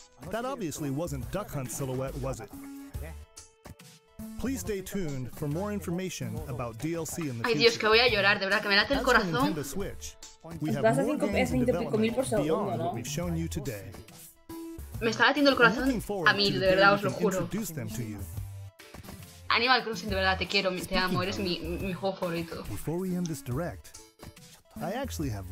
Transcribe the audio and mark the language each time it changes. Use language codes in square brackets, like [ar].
[en] That obviously wasn't Duck Hunt silhouette, was it? Please stay tuned for more information about DLC in the future. [es] Ay, Dios, que voy a llorar, de verdad, que me late el corazón. Vas a 5,000 por segundo, ¿no? Me está latiendo el corazón a 1,000, de verdad, os lo juro. Animal Crossing, de verdad, te quiero, te amo, eres mi juego favorito. [en] Before we end this direct, I actually have